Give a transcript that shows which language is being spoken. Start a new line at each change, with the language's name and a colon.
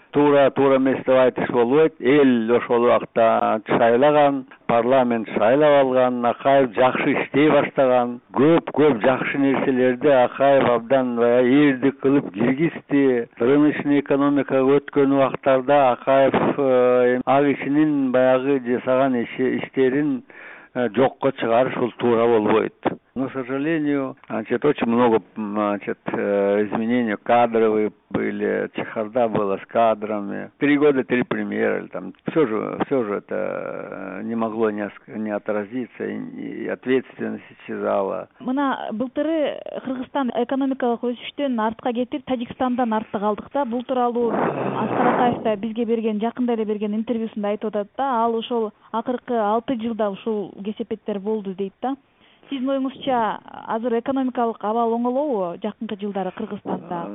Kyrgyz: Туура эмес деп айтыш болбойт. Эл ошол убакта шайлаган, парламент шайлап алган, Акаев жакшы иштей баштаган, көп жакшы нерселерди Акаев абдан баягы ээрдик кылып киргизди. Рыночный экономикага өткөн убактарда Акаев ак ишинин баягы жасаган иштерин жокко чыгарыш ул туура болбойт.
Russian: Но, к сожалению, значит, очень много, значит, изменений кадровые были, чехарда была с кадрами. 3 года, 3 премьеры, там, все же это не могло не отразиться, и ответственность исчезала.
Kyrgyz: Мына былтыры Кыргызстан экономикалык өсүштөн артка кетип, Таджикстандан артта калдык да. Бул тууралуу Аскар Акаев да бизге берген, жакында эле берген интервьюсунда айтып атат да. Ал ошол акыркы 6 жылда ушул кесепеттер болду дейт да. Сиздин оюңузча азыр экономикалык абал оңолобу жакынкы жылдары Кыргызстанда?